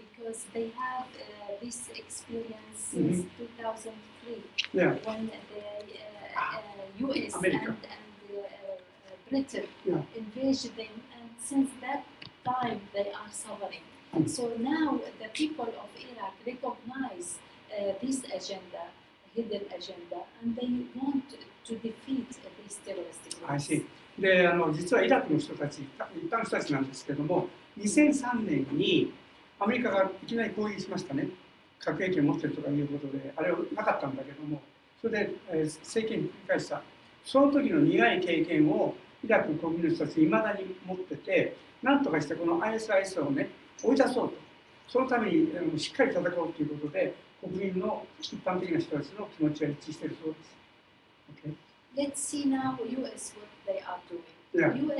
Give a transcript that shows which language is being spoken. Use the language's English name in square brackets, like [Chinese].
[English] Because they have this experience since 2003, when the US and Britain invaded them, and since that time they are suffering. So now the people of Iraq recognize this agenda, hidden agenda, and they want to defeat these terrorist groups. I see. [Japanese] で、実はイラクの人たち、一般の人たちなんですけども、2003年にアメリカがいきなり攻撃しましたね。核兵器を持っているとかいうことで、あれはなかったんだけども、それで政権に繰り返した。その時の苦い経験をイラク国民の人たちは未だに持ってて、なんとかしてこの ISIS をね、追い出そうと。そのためにしっかり戦おうということで、国民の一般的な人たちの気持ちが一致しているそうです。 [English] Okay. Let's see now US what they are doing.、Yeah.